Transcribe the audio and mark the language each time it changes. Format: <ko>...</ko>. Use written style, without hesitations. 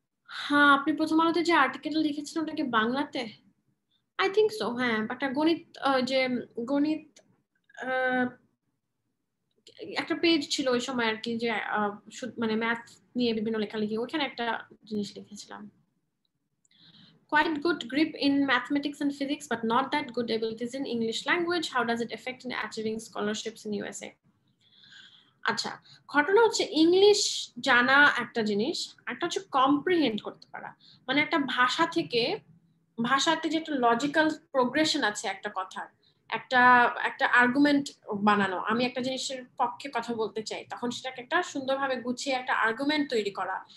<bn>হ্যাঁ, আপনি প্রথম আলোতে যে আর্টিকেল লিখেছেন ওটাকে বাংলাতে,</bn> <en>I think so,</en> <bn>হ্যাঁ, একটা গণিত, যে গণিত একটা পেজ ছিল ওই সময় আর কি, যে মানে ম্যাথ নিয়ে বিভিন্ন লেখালেখি, ওইখানে একটা জিনিস লিখেছিলাম।</bn> <en>Quite good grip in mathematics and physics, but not that good abilities in English language. How does it affect in achieving scholarships in USA?</en> <bn>আচ্ছা, ঘটনা হচ্ছে ইংলিশ জানা একটা জিনিস, একটা হচ্ছে কম্প্রিহেন্ড করতে পারা, মানে একটা ভাষা থেকে ভাষাতে যে একটা লজিক্যাল প্রোগ্রেশন আছে একটা কথার, একটা একটা আর্গুমেন্ট বানানো, আমি একটা জিনিসের পক্ষে কথা বলতে চাই, তখন সেটাকে একটা সুন্দরভাবে গুছিয়ে একটা আর্গুমেন্ট তৈরি করা,</bn>